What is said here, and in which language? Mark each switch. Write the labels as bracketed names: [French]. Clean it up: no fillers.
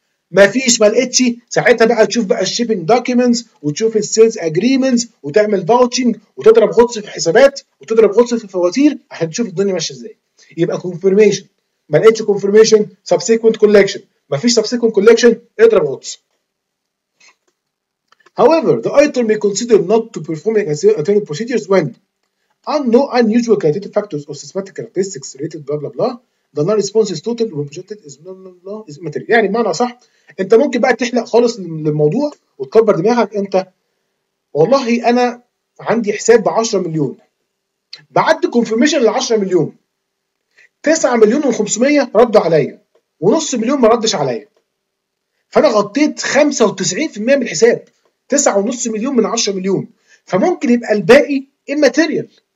[Arabic] ما فيش ما لقيتش، ساعتها بقى تشوف بقى الشيبنج دوكيومنتس وتشوف السيلز اجريمنتس وتعمل فاوتشنج وتضرب غطس في حسابات وتضرب غطس في فواتير عشان تشوف الدنيا ماشيه ازاي. يبقى كونفرميشن، ما لقيتش كونفرميشن سبسيكوينت كولكشن، ما فيش سبسيكوينت كولكشن اضرب غطس. [English] However, the auditor may consider not to perform alternative procedures when no unusual quantitative factors or systematic characteristics related blah blah blah, the non-response is total or projected is blah blah blah is immaterial. [Arabic] يعني معنى صح، انت ممكن بقى تحلق خالص للموضوع وتكبر دماغك. انت والله انا عندي حساب ب 10 مليون، بعد confirmation ال 10 مليون 9 مليون و 500 ردوا عليا ونص مليون ما ردش عليا، فانا غطيت 95% من الحساب، 9.5 مليون من 10 مليون، فممكن يبقى الباقي immaterial.